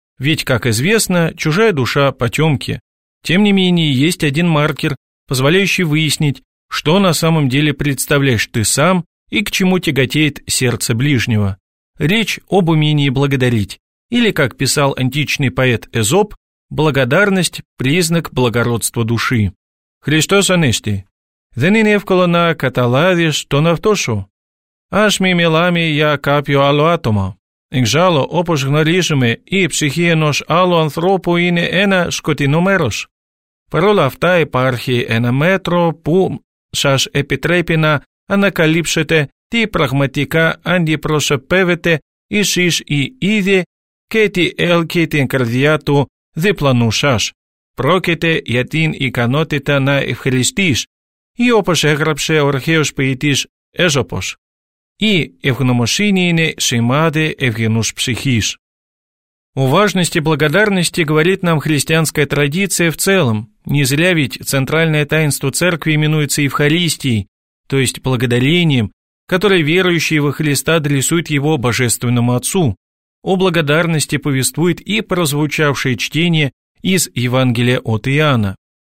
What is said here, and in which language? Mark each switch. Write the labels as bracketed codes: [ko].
[ru] Ведь, как известно, чужая душа – потемки. Тем не менее, есть один маркер, позволяющий выяснить, что на самом деле представляешь ты сам и к чему тяготеет сердце ближнего. Речь об умении благодарить. Или, как писал античный поэт Эзоп, «благодарность – признак благородства души». [el] Христос Анести. «Δεν είναι εύκολο να καταλάβεις τον αυτό σου». Ας μη μιλάμε για κάποιο άλλο άτομο. Εξάλλου, όπως γνωρίζουμε, η ψυχή ενός άλλου ανθρώπου είναι ένα σκοτεινό μέρος. Παρ' όλα αυτά υπάρχει ένα μέτρο που σας επιτρέπει να ανακαλύψετε τι πραγματικά αντιπροσωπεύετε εσείς οι ίδιοι και τι έλκει την καρδιά του διπλανού σας. Πρόκειται για την ικανότητα να ευχαριστείς ή όπως έγραψε ο αρχαίος ποιητής Έζωπος. И ευγνωμοσύνη είναι σημάδι ευγενούς ψυχής. [ru] О важности благодарности говорит нам христианская традиция в целом. Не зря ведь центральное таинство церкви именуется Евхаристией, то есть благодарением, которое верующие во Христа адресуют его Божественному Отцу. О благодарности повествует и прозвучавшее чтение из Евангелия от Иоанна.